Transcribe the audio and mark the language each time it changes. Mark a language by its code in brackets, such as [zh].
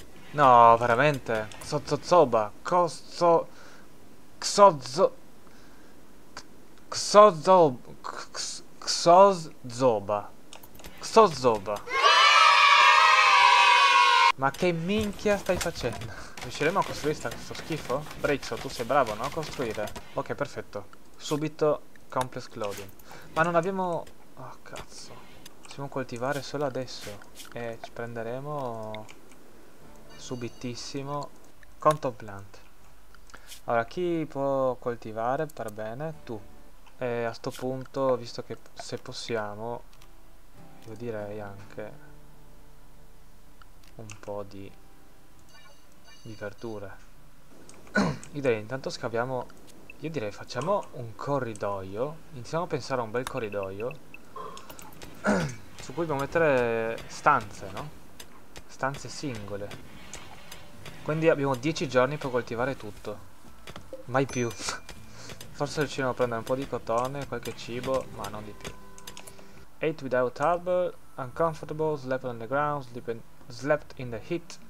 [it] No, veramente. Sozzoba. Coso. Xozo. Xozo. Xozoba. So zoba. Ma che minchia stai facendo? Riusciremo a costruire sto schifo? Brixo, tu sei bravo, no? A costruire. Ok, perfetto. [en] Subito complex clothing. [it] Ma non abbiamo. Oh, cazzo. Possiamo coltivare solo adesso. E ci prenderemo subitissimo [en] cotton plant. [it] Allora, chi può coltivare per bene? Tu. E a sto punto, visto che se possiamo, io direi anche un po' di verdure. Io direi intanto scaviamo. Io direi facciamo un corridoio. Iniziamo a pensare a un bel corridoio su cui dobbiamo mettere stanze, no? Stanze singole. Quindi abbiamo 10 giorni per coltivare tutto. Mai più. Forse riusciremo a prendere un po' di cotone, qualche cibo, ma non di più. [en] Ate without hub. Uncomfortable, slept on the ground, slept in the heat.